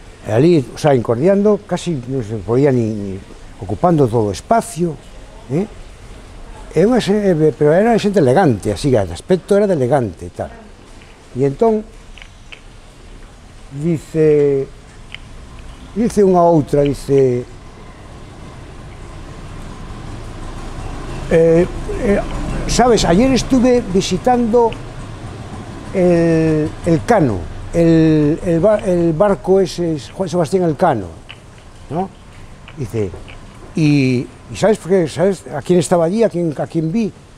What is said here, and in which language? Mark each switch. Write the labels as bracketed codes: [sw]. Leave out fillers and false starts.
[gl] E ali, o sea, incordiando, casi non se podía ni ocupando todo o espacio, pero era xente elegante, así que o aspecto era de elegante e tal. E entón, dice unha outra, dice... [es] sabes, ayer estuve visitando el Cano, el barco ese, Juan Sebastián Elcano, ¿no? Dice, ¿y sabes por qué? ¿Sabes a quién estaba allí? ¿A quién vi?